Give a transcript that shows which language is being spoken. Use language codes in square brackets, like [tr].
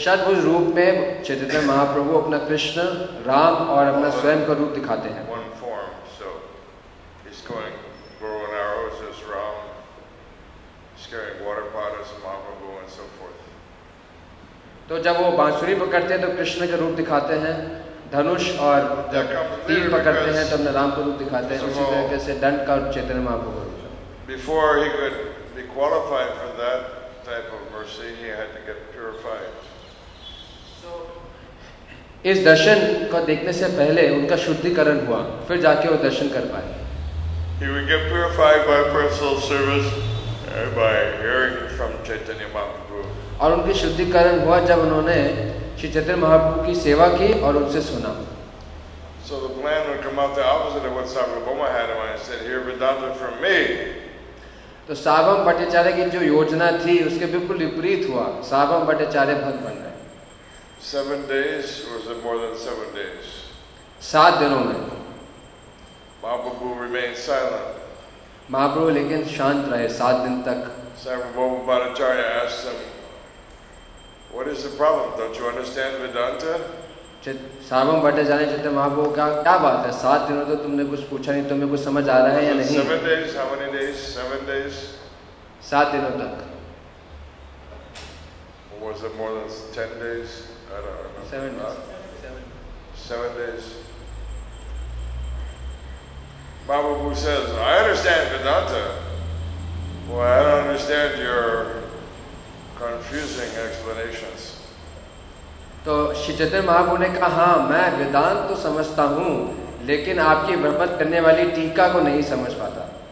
[hi] षडभुज रूप में चैतन्य महाप्रभु अपना कृष्ण राम और अपना स्वयं का रूप दिखाते हैं. [en] One form, so he's going Guru Narayana is Ram, he's carrying water pot as Mahaprabhu and so forth. [hi] तो जब वो बांसुरी पकड़ते हैं तो कृष्ण का रूप दिखाते हैं, धनुष और तीर पकड़ते हैं तो अपने राम का रूप दिखाते हैं, इसी तरह से दंड का Chaitanya Mahaprabhu. [en] Before he could be qualified for that type of mercy, he had to get purified. [hi] So, इस दर्शन को देखने से पहले उनका शुद्धिकरण हुआ, फिर जाके वो दर्शन कर पाए. [en] He would get purified by personal service by hearing from Chaitanya Mahaprabhu. [hi] और उनके शुद्धिकरण हुआ जब उन्होंने श्री चैतन्य महाप्रभु की सेवा की और उनसे सुना. [en] So the plan would come out the opposite of what Sarvabhauma had when I said, "Hear Vedanta from me." [hi] तो सार्वभौम भट्टाचार्य की जो योजना थी उसके बिल्कुल विपरीत हुआ. सार्वभौम भट्टाचार्य भक्त बन गए. [en] 7 days or was it more than 7 days? [hi] 7 दिनों में. [en] Mahaprabhu remained silent. [hi] महाप्रभु लेकिन शांत रहे 7 दिन तक. [en] Sarvabhauma Bhattacharya asked him, "What is the problem? Don't you understand Vedanta?" [hi] सार्वभौम भट्टाचार्य चैतन्य महाप्रभु का क्या बात है, 7 दिनों तो तुमने कुछ पूछा नहीं, तुम्हें कुछ समझ आ रहा है या नहीं? [en] 7 days, how many days? 7 days. [hi] 7 दिनों तक. [en] Was it more than 10 days? I don't know. 7 days. Mahaprabhu says, "I understand Vedanta. Well, I don't understand your confusing explanations." [hi] तो श्री चैतन्य महाप्रभु ने कहा, हाँ मैं वेदांत तो समझता हूँ लेकिन आपकी भ्रमित करने वाली टीका को नहीं समझ पाता.